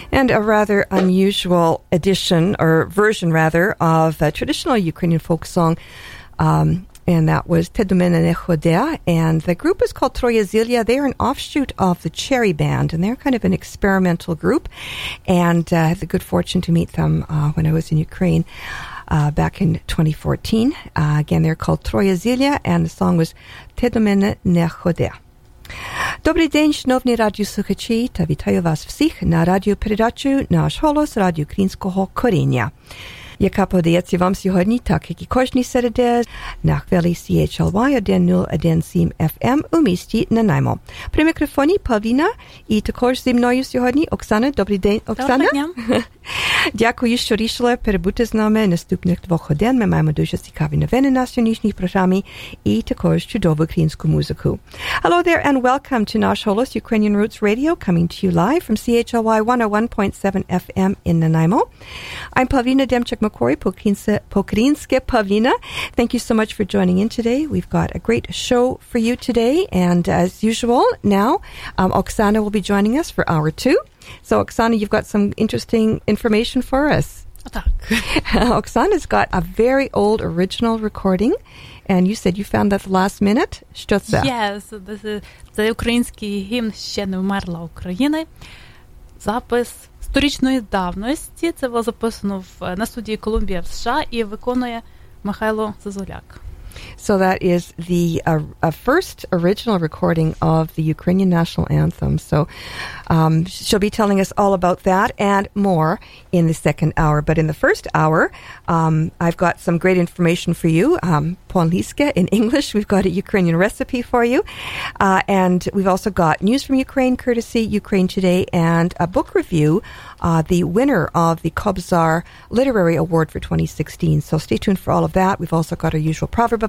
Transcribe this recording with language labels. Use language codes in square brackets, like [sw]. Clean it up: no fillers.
[en] Rather unusual edition or version rather of a traditional Ukrainian folk song, and that was Te do mene ne chode, and the group is called Troya Zilia. They are an offshoot of the Cherry Band, and they're kind of an experimental group, and I had the good fortune to meet them when I was in Ukraine back in 2014. Again, they're called Troya Zilia, and the song was Te do mene ne chode. [uk] Добрий день, шановні радіослухачі, та вітаю вас всіх на радіопередачу «Наш голос» Радіо Українського коріння, яка подається вам сьогодні, так як і кожні середи, на хвилі CHLY 101.7 FM у місті Нанаймо. При мікрофоні Павіна і також зі мною сьогодні Оксана. Добрий день, Оксана. Добрий день. Дякую, що рішили перебути з нами наступних двох годин. Ми маємо дуже цікаві новини на сьогоднішній програмі і також чудову українську музику. [en] Hello there and welcome to Nash Holos Ukrainian Roots Radio, coming to you live from CHLY 101.7 FM in Nanaimo. I'm Pavlina Demchuk McCory, Pokrinske Pavlina. Thank you so much for joining in today. We've got a great show for you today. And as usual, now Oksana will be joining us for hour two. So, Oksana, you've got some interesting information for us. Oksana's got a very old original recording. And you said you found that the last minute. [uk] Що це? [en] Yes, this is the [uk] український гімн «Ще не вмерла України». Запис сторічної давності. Це було записано на студії Колумбія в США і виконує Михайло Зазоляк. [en] So that is the first original recording of the Ukrainian national anthem. So she'll be telling us all about that and more in the second hour. But in the first hour, I've got some great information for you. Polniske in English. We've got a Ukrainian recipe for you. And we've also got news from Ukraine, courtesy Ukraine Today, and a book review, the winner of the Kobzar Literary Award for 2016. So stay tuned for all of that. We've also got our usual proverb of